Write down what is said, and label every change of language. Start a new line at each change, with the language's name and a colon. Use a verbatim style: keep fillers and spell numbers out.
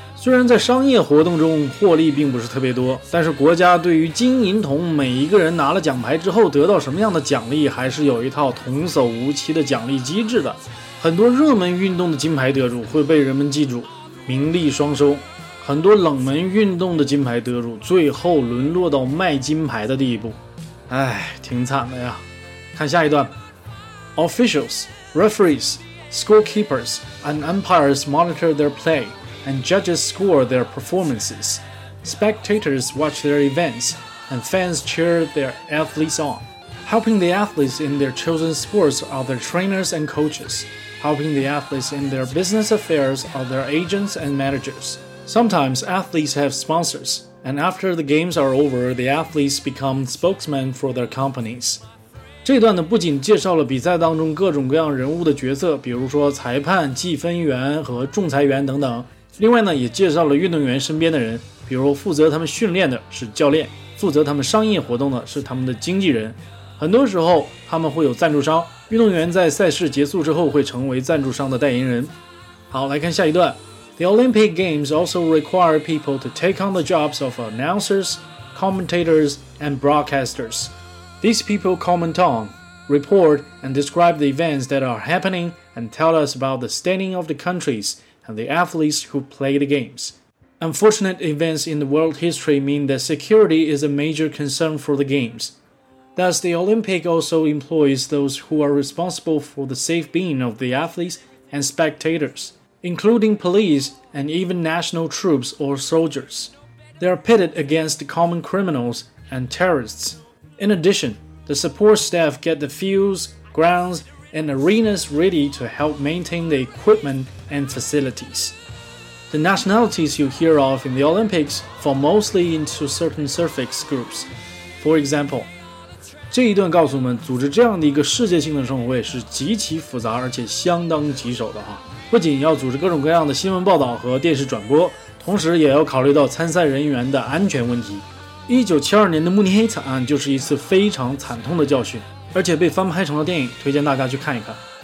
Chinese: 虽然在商业活动中获利并不是特别多，但是国家对于金银铜每一个人拿了奖牌之后得到什么样的奖励，还是有一套童叟无欺的奖励机制的。很多热门运动的金牌得主会被人们记住，名利双收，很多冷门运动的金牌得主最后沦落到卖金牌的地步，唉，挺惨的呀。看下一段。
English: Officials, referees, scorekeepers, and umpires monitor their play, and judges score their performances. Spectators watch their events, and fans cheer their athletes on. Helping the athletes in their chosen sports are their trainers and coaches. Helping the athletes in their business affairs are their agents and managers. Sometimes athletes have sponsors, and after the games are over, the athletes become spokesmen for their companies.
Chinese: 这段呢，不仅介绍了比赛当中各种各样人物的角色，比如说裁判、计分员和仲裁员等等。另外呢，也介绍了运动员身边的人，比如负责他们训练的是教练，负责他们商业活动的是他们的经纪人。很多时候他们会有赞助商，运动员在赛事结束之后会成为赞助商的代言人。好，来看下一段。
English: The Olympic Games also require people to take on the jobs of announcers, commentators, and broadcasters. These people comment on, report, and describe the events that are happening and tell us about the standing of the countries and the athletes who play the games. Unfortunate events in the world history mean that security is a major concern for the games. Thus, the Olympic also employs those who are responsible for the safe being of the athletes and spectators, including police and even national troops or soldiers. They are pitted against common criminals and terrorists. In addition, the support staff get the fields, grounds, and arenas ready to help maintain the equipment and facilities. The nationalities you hear of in the Olympics fall mostly into certain suffix groups. For example,
Chinese: 这一段告诉我们，组织这样的一个世界性的盛会是极其复杂而且相当棘手的哈。不仅要组织各种各样的新闻报道和电视转播，同时也要考虑到参赛人员的安全问题。一九七二年的慕尼黑惨案就是一次非常惨痛的教训，而且被翻拍成了电影，推荐大家去看一看。